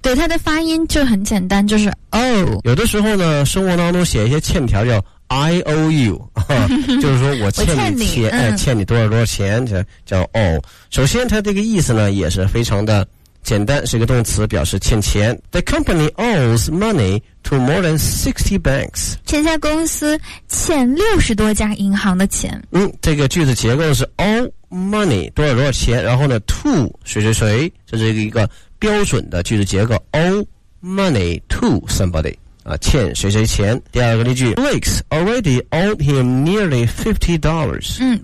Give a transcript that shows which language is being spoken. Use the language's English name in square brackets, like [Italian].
[Chinese] 对，它的发音就很简单，就是 O。有的时候呢，生活当中写一些欠条叫IOU， 就是说我欠你钱，欠 你，欠你多少多少钱，叫 O。首先它这个意思呢也是非常的简单，是一个动词，表示欠钱。 [English] The company owes money to more than 60 banks。 [Chinese] 欠下公司欠60多家银行的钱。这个句子结构是 owe money 多少多少钱，然后呢 to 谁谁谁，这是一个标准的句子结构， owe money to somebody啊，欠谁谁钱。第二个例句， [English] Blake's already owed him nearly $50。